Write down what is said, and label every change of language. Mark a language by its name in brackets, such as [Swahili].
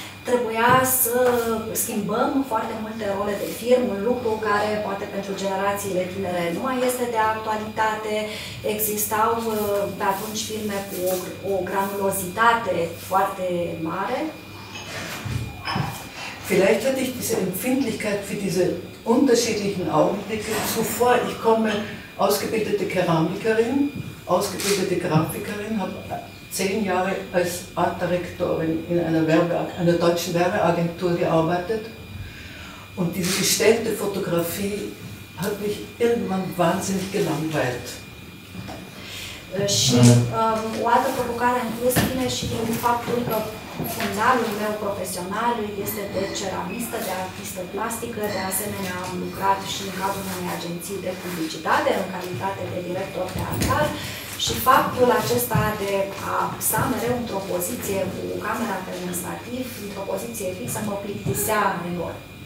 [Romanian] trebuia să schimbăm foarte multe role de firmă, un lucru care poate pentru generațiile tinere nu mai este de actualitate. Existau pe atunci firme cu o granulozitate foarte mare. [German] Vielleicht hatte ich diese Empfindlichkeit für diese unterschiedlichen Augenblicke zuvor. Ich komme ausgebildete Keramikerin, ausgebildete Grafikerin, habe 10 Jahre als Artdirektorin in einer deutschen Werbeagentur gearbeitet. Und diese gestellte Fotografie hat mich irgendwann wahnsinnig gelangweilt. [Romanian] Și o altă provocare în plus vine și din faptul că fundalul meu profesional este de ceramistă, de artistă plastică, de asemenea am lucrat și în cadrul unei agenții de publicitate în calitate de director de artar și faptul acesta de a sta mereu într-o poziție cu camera pe un stativ, într-o poziție fixă, mă plictisea enorm.